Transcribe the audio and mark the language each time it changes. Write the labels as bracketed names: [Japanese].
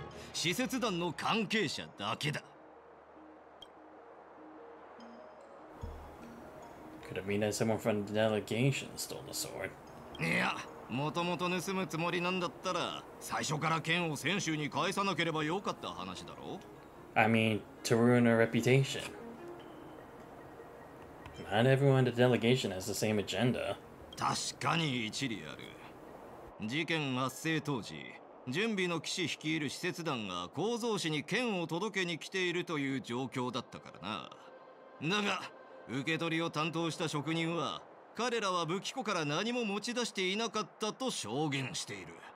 [Japanese] あの件に触れられる機会があったのは、封建の儀に参加したお前たちと使節団の関係者だけだ。 [English] Could it mean that someone from the delegation stole the sword? [Japanese] いや、もともと盗むつもりなんだったら、最初から剣を先週に返さなければよかった話だろ。 [English] I mean, to ruin her reputation. Not everyone in the delegation has the same agenda. [Japanese] 確かに一理ある。事件発生当時、準備の騎士率いる使節団が構造士に剣を届けに来ているという状況だったからな。だが、受け取りを担当した職人は、彼らは武器庫から何も持ち出していなかったと証言している。